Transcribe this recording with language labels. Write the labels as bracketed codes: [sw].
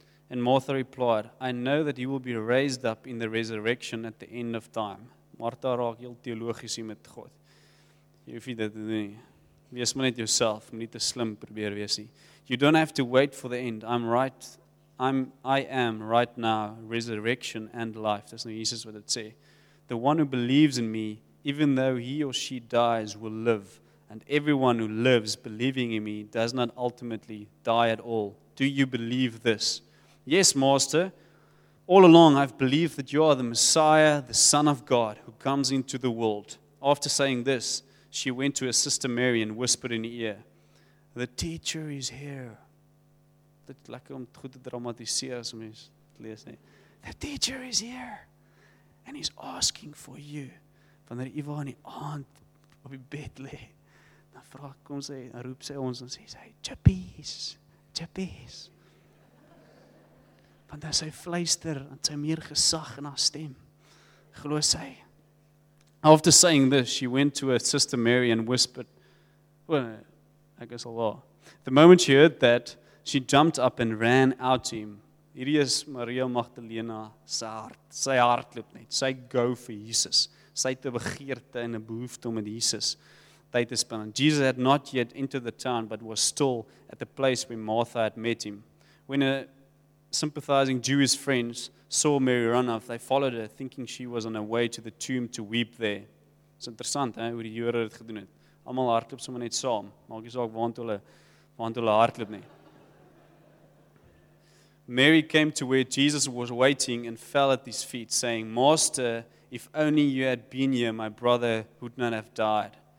[en] And Martha replied, I know that he will be raised up in the resurrection at the end of time. [af] Martha raak heel teologies hier met God. Jy hoef nie dit te doen nie. Wees maar net jouself, moet nie te slim probeer wees nie. [en] You don't have to wait for the end. I am right now resurrection and life. [af] Dis nou Jesus wat dit sê. [en] The one who believes in me, even though he or she dies, will live. And everyone who lives believing in me does not ultimately die at all. Do you believe this? Yes, Master. All along I've believed that you are the Messiah, the Son of God, who comes into the world. After saying this, she went to her sister Mary and whispered in her ear, the teacher is here. [af] Dit klink om goed te dramatiseer as mens lees nie. [en] The teacher is here and he's asking for you. [af] Wanneer jy waar in die aand op die bed lê, dan vra kom sê, dan roep sy ons en sê sy, "Chippies, chippies." Want as hy fluister, het sy meer gesag in haar stem. Glo sy. [en] After saying this, she went to her sister Mary and whispered, well, I guess a lot. The moment she heard that, she jumped up and ran out to him. [af] Hierdie is Maria Magdalena se hart. Sy hart loop net. Sy go for Jesus. Sy het 'n begeerte en 'n behoefte om met Jesus tyd te spandeer. [en] Jesus had not yet entered the town, but was still at the place where Martha had met him. When her sympathizing Jewish friends saw Mary run off, they followed her, thinking she was on her way to the tomb to weep there. [af] Dis interessant, hè, hoe die Jode dit gedoen het. Almal hardloop sommer net saam. Maak nie saak waar hulle hardloop nie. [en] Mary came to where Jesus was waiting and fell at his feet, saying, Master, if only you had been here, my brother would not have died.